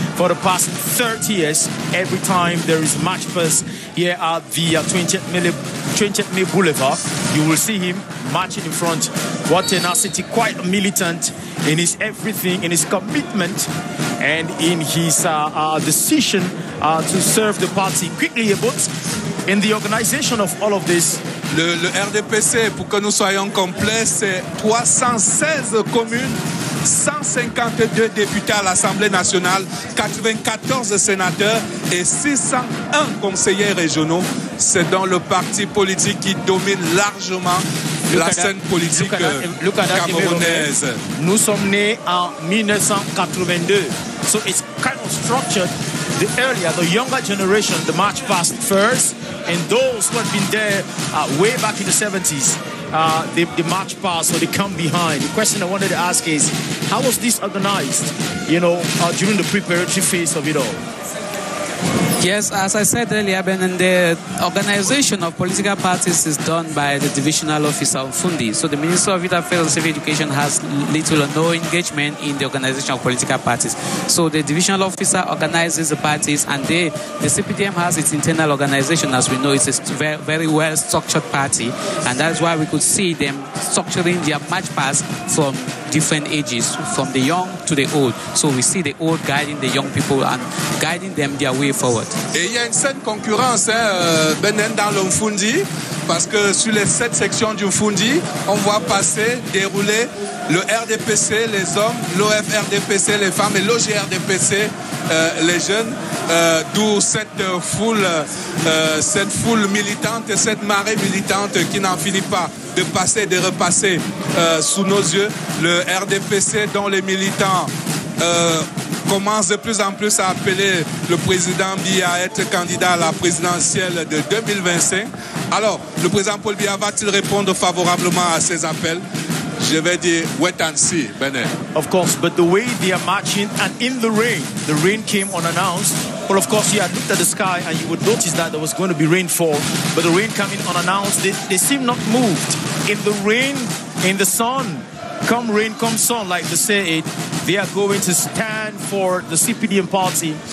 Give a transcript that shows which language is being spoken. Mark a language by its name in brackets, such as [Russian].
[English] for the past 30 years every time there is match first here at the 20th May Boulevard. You will see him marching in front. What tenacity, quite militant in his everything, in his commitment, and in his decision to serve the party. Quickly, about in the organization of all of this. [French] Le RDPC, pour que nous soyons complets, c'est 316 communes, 152 députés à l'Assemblée nationale, 94 sénateurs et 601 conseillers régionaux. C'est dans le parti politique qui domine largement la scène politique camerounaise. Nous sommes nés en 1982. [English] So it's kind of structured. The earlier, the younger generation, the march past first, and those who have been there way back in the 70s, they march past, so they come behind. The question I wanted to ask is, how was this organized, you know, during the preparatory phase of it all? Yes, as I said earlier, Benin, the organization of political parties is done by the divisional officer of Fundi. So the Minister of Youth Affairs and Civic Education has little or no engagement in the organization of political parties. So the divisional officer organizes the parties, and the CPDM has its internal organization. As we know, it's a very well-structured party, and that's why we could see them structuring their march past from different ages, from the young to the old. So we see the old guiding the young people and guiding them their way forward. [French] Et il y a une saine concurrence, hein, Benin, dans le Mfundi, parce que sur les sept sections du Mfundi, on voit passer, dérouler le RDPC, les hommes, l'OFRDPC, les femmes, et l'OGRDPC, les jeunes, d'où cette foule militante, cette marée militante qui n'en finit pas de passer, de repasser sous nos yeux. Le RDPC, dont les militants commencent de plus en plus à appeler le président Biya à être candidat à la présidentielle de 2025. Alors, le président Paul Biya va-t-il répondre favorablement à ces appels? Je vais dire [English] wait and see, [French] Benin. [English] Of course, but the way they are marching and in the rain came unannounced. Well, of course, you had looked at the sky and you would notice that there was going to be rainfall. But the rain coming unannounced, they seem not moved. In the rain, in the sun, come rain, come sun, like they say it, they are going to stand for the CPDM party.